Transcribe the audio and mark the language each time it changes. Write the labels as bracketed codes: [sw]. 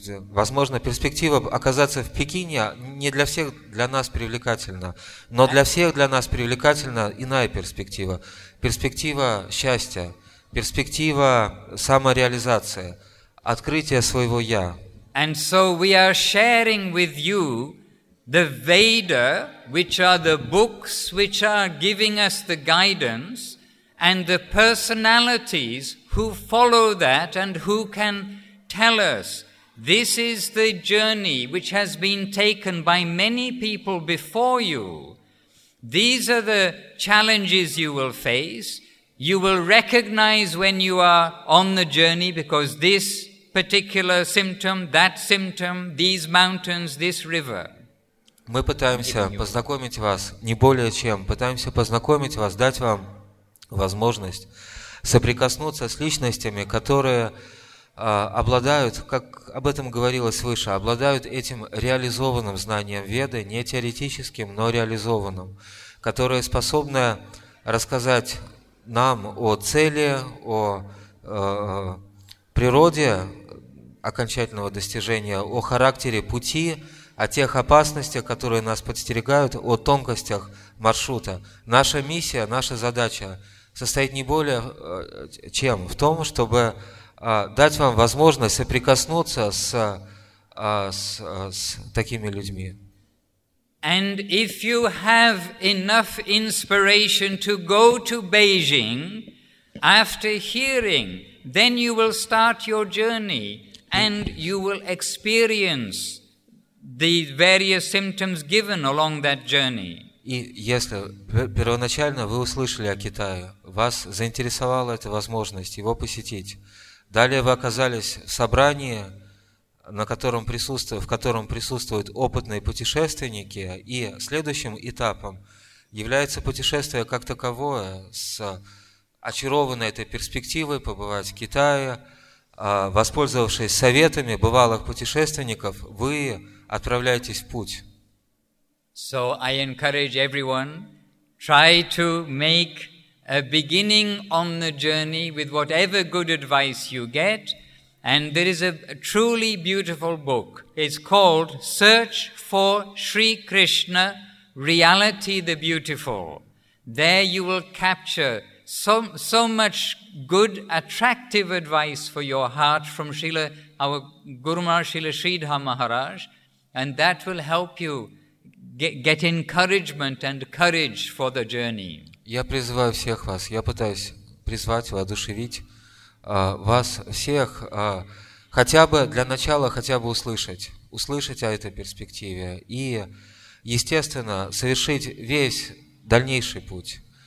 [ru] Возможно, перспектива оказаться в Пекине не для всех для нас привлекательна, но для всех для нас привлекательна иная перспектива. Перспектива счастья, перспектива самореализации, открытия своего «я». [en] And so we are sharing with you the Veda, which are the books which are giving us the guidance, and the personalities who follow that and who can tell us this is the journey which has been taken by many people before you. These are the challenges you will face. You will recognize when you are on the journey because this particular symptom, that symptom, these mountains, this river. [ru] Мы пытаемся познакомить вас, не более чем, пытаемся познакомить вас, дать вам возможность соприкоснуться с личностями, которые обладают, как об этом говорилось выше, обладают этим реализованным знанием Веды, не теоретическим, но реализованным, которое способно рассказать нам о цели, о природе окончательного достижения, о характере пути, о тех опасностях, которые нас подстерегают, о тонкостях маршрута. Наша миссия, наша задача состоит не более чем в том, чтобы дать вам возможность соприкоснуться с такими людьми. [en] And if you have enough inspiration to go to Beijing after hearing, then you will start your journey and you will experience the various symptoms given along that journey. [ru] И если первоначально вы услышали о Китае, вас заинтересовала эта возможность его посетить, далее вы оказались в собрании, в котором присутствуют опытные путешественники, и следующим этапом является путешествие как таковое, с очарованной этой перспективой побывать в Китае, воспользовавшись советами бывалых путешественников, вы отправляетесь в путь. [en] And there is a truly beautiful book. It's called Search for Sri Krishna, Reality the Beautiful. There you will capture so much good, attractive advice for your heart from Srila, our Guru Maharaj, Srila Sridhar Maharaj. And that will help you get encouragement and courage for the journey. [ru] Я призываю всех вас, я пытаюсь призвать, воодушевить вас всех хотя бы для начала хотя бы услышать о этой перспективе и, естественно, совершить весь дальнейший путь.